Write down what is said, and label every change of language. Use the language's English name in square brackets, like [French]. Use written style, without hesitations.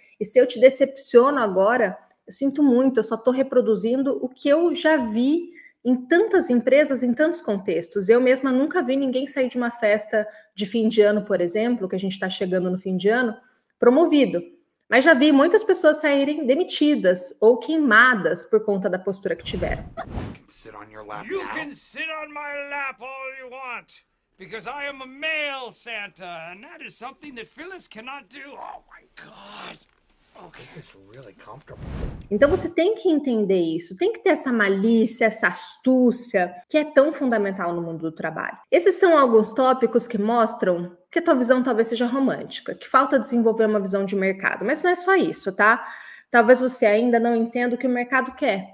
[Portuguese] E se eu te decepciono agora, eu sinto muito, eu só estou reproduzindo o que eu já vi em tantas empresas, em tantos contextos. Eu mesma nunca vi ninguém sair de uma festa de fim de ano, por exemplo, que a gente está chegando no fim de ano, promovido. Mas já vi muitas pessoas saírem demitidas ou queimadas por conta da postura que tiveram. [English] Sit on your lap now. You can sit on my lap all you want, because I am a male Santa, and that is something that Phyllis cannot do. Oh my God! Okay. This is really comfortable. [Portuguese] Então você tem que entender isso, tem que ter essa malícia, essa astúcia que é tão fundamental no mundo do trabalho. Esses são alguns tópicos que mostram que a tua visão talvez seja romântica, que falta desenvolver uma visão de mercado. Mas não é só isso, tá? Talvez você ainda não entenda o que o mercado quer.